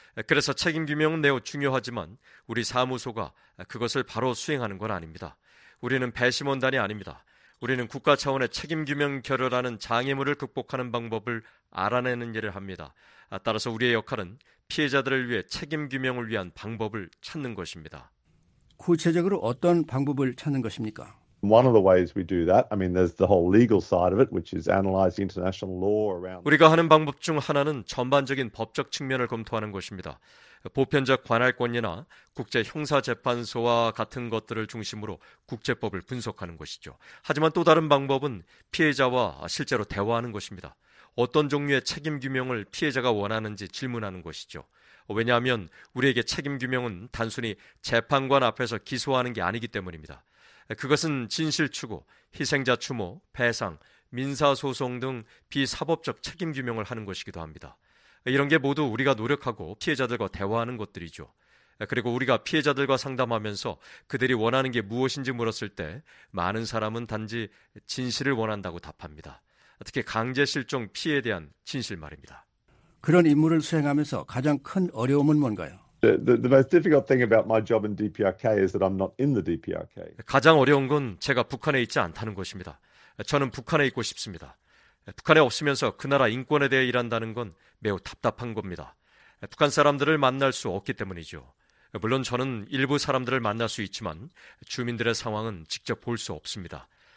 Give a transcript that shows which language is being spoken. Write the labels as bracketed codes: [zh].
[ko] 그래서 책임 규명은 매우 중요하지만 우리 사무소가 그것을 바로 수행하는 건 아닙니다. 우리는 배심원단이 아닙니다. 우리는 국가 차원의 책임 규명 결여라는 장애물을 극복하는 방법을 알아내는 일을 합니다. 따라서 우리의 역할은 피해자들을 위해 책임 규명을 위한 방법을 찾는 것입니다. 구체적으로 어떤 방법을 찾는 것입니까? [en] One of the ways we do that, I mean, there's the whole legal side of it, which is analyzing international law around. [ko] 우리가 하는 방법 중 하나는 전반적인 법적 측면을 검토하는 것입니다. 보편적 관할권이나 국제형사재판소와 같은 것들을 중심으로 국제법을 분석하는 것이죠. 하지만 또 다른 방법은 피해자와 실제로 대화하는 것입니다. 어떤 종류의 책임규명을 피해자가 원하는지 질문하는 것이죠. 왜냐하면 우리에게 책임규명은 단순히 재판관 앞에서 기소하는 게 아니기 때문입니다. 그것은 진실추구, 희생자 추모, 배상, 민사소송 등 비사법적 책임규명을 하는 것이기도 합니다. 이런 게 모두 우리가 노력하고 피해자들과 대화하는 것들이죠. 그리고 우리가 피해자들과 상담하면서 그들이 원하는 게 무엇인지 물었을 때 많은 사람은 단지 진실을 원한다고 답합니다. 특히 강제실종 피해에 대한 진실 말입니다. 그런 임무를 수행하면서 가장 큰 어려움은 뭔가요? [en] The most difficult thing about my job in DPRK is that I'm not in the DPRK. [ko] 가장 어려운 건 제가 북한에 있지 않다는 것입니다. 저는 북한에 있고 싶습니다. 북한에 없으면서 그 나라 인권에 대해 일한다는 건 매우 답답한 겁니다. 북한 사람들을 만날 수 없기 때문이죠. 물론 저는 일부 사람들을 만날 수 있지만 주민들의 상황은 직접 볼 수 없습니다.